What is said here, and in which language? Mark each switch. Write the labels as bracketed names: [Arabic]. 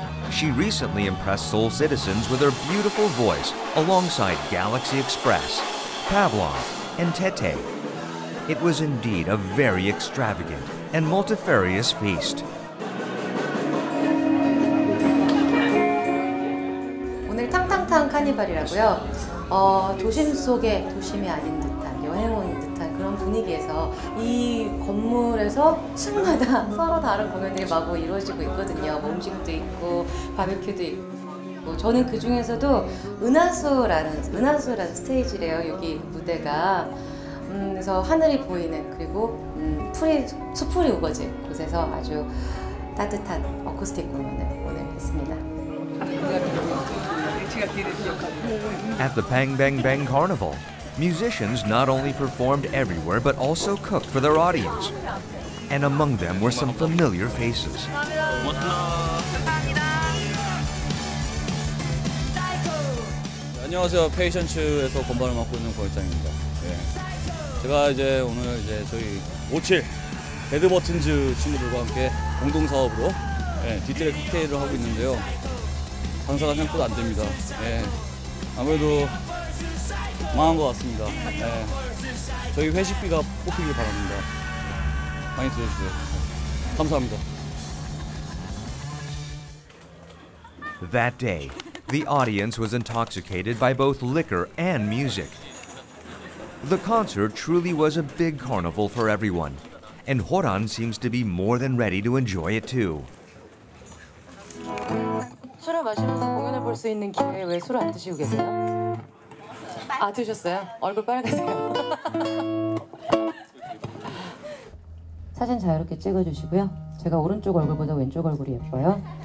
[English] She recently impressed Seoul citizens with her beautiful voice alongside Galaxy Express, Pavlov, and Tete. It was indeed a very extravagant and multifarious feast. [Korean] 오늘 탕탕탕 카니발이라고요. 도심 속에 도심이 아닌 듯한 여행 온 듯한 그런 분위기에서 이 건물에서 층마다 서로 다른 공연들이 마구 이루어지고 있거든요. 뭐 음식도 있고 바비큐도 있고. 저는 그 중에서도 은하수라는 스테이지래요. 여기 무대가 그래서 하늘이 보이는 그리고 숲풀이 우거진 곳에서 아주 따뜻한 어쿠스틱 공연을 오늘 했습니다. [English] At the Bang Bang Bang Carnival, musicians not only performed everywhere but also cooked for their audience. And among them were some familiar faces. [Korean] 안녕하세요. 페이션츠에서 건반을 맡고 있는 권일장입니다. 네. 제가 이제 오늘 이제 저희 57 배드버튼즈 친구들과 함께 공동사업으로 디젤 칵테일을 하고 있는데요. 장사가 생각보다 안 됩니다. 네. 아무래도 망한 것 같습니다. 네. 저희 회식비가 뽑히길 바랍니다. 많이 들어주세요. 감사합니다. [English] That day. The audience was intoxicated by both liquor and music. The concert truly was a big carnival for everyone, and Horan seems to be more than ready to enjoy it too. [Korean] 술을 마시면서 공연을 볼 수 있는 기회에 왜 술을 안 드시고 계세요? 아, 드셨어요? 얼굴 빨개세요. 사진 자유롭게 찍어주시고요. 제가 오른쪽 얼굴보다 왼쪽 얼굴이 예뻐요.